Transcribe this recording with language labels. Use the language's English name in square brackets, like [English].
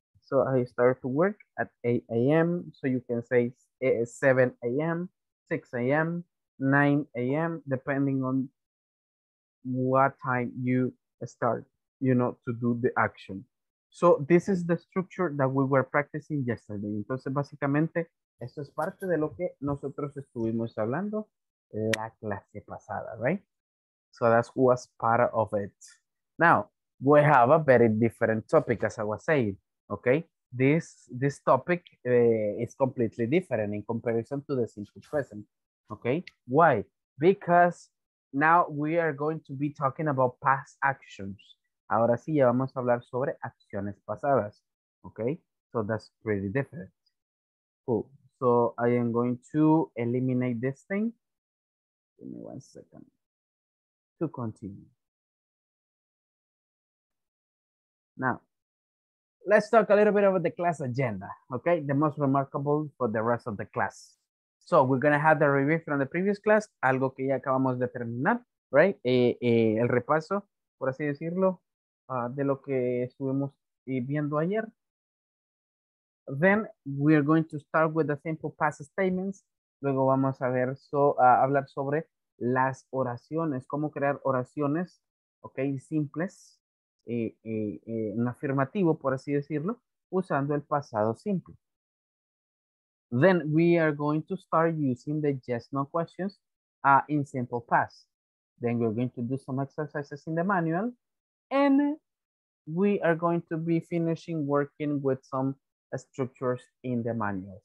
[English] So I start to work at 8 a.m., so you can say 7 a.m., 6 a.m., 9 a.m. depending on what time you start, you know, to do the action. So this is the structure that we were practicing yesterday. [Spanish] Entonces, básicamente, esto es parte de lo que nosotros estuvimos hablando la clase pasada, right? [English] So that was part of it. Now, we have a very different topic, as I was saying, okay? This topic is completely different in comparison to the simple present, okay? Why? Because now we are going to be talking about past actions. [Spanish] Ahora sí, ya vamos a hablar sobre acciones pasadas, okay? [English] So that's pretty different. Cool. So I am going to eliminate this thing. Give me 1 second to continue. Now, let's talk a little bit about the class agenda, okay? The most remarkable for the rest of the class. So we're gonna have the review from the previous class, [Spanish] algo que ya acabamos de terminar, [English] right? [Spanish] El repaso, por así decirlo, de lo que estuvimos viendo ayer. [English] Then we're going to start with the simple past statements. [Spanish] Luego vamos a ver, hablar sobre las oraciones, cómo crear oraciones, okay, simples. En afirmativo, por así decirlo, usando el pasado simple. [English] Then we are going to start using the yes, no questions in simple past. Then we're going to do some exercises in the manual. And we are going to be finishing working with some structures in the manual.